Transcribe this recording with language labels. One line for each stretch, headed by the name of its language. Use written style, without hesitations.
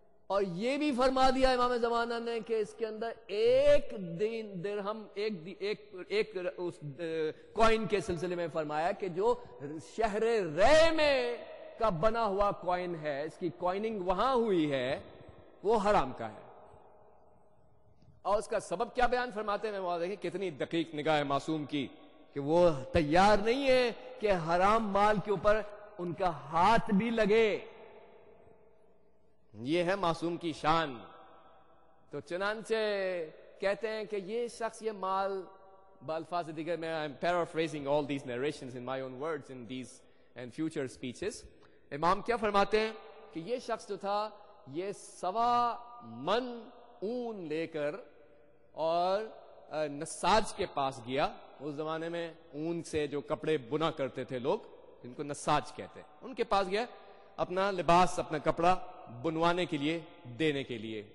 Urdu: اور یہ بھی فرما دیا امام زمانہ نے کہ اس کے اندر ایک دین درہم ایک اس کوائن کے سلسلے میں فرمایا کہ جو شہر رے میں کا بنا ہوا کوائن ہے، اس کی کوائننگ وہاں ہوئی ہے، وہ حرام کا ہے. اور اس کا سبب کیا بیان فرماتے ہیں، وہ دیکھیں کتنی دقیق نگاہ معصوم کی، کہ وہ تیار نہیں ہے کہ حرام مال کے اوپر ان کا ہاتھ بھی لگے. یہ ہے معصوم کی شان. تو چنانچہ کہتے ہیں کہ یہ شخص یہ مال بالفاظ دیگر میں
English: I'm paraphrasing all these narrations in my own words in these and future speeches.
Urdu: امام کیا فرماتے ہیں کہ یہ شخص جو تھا یہ سوا من اون لے کر اور نساج کے پاس گیا. اس زمانے میں اون سے جو کپڑے بنا کرتے تھے لوگ، جن کو نساج کہتے ہیں، ان کے پاس گیا اپنا لباس اپنا کپڑا بنوانے کے لیے دینے کے لیے.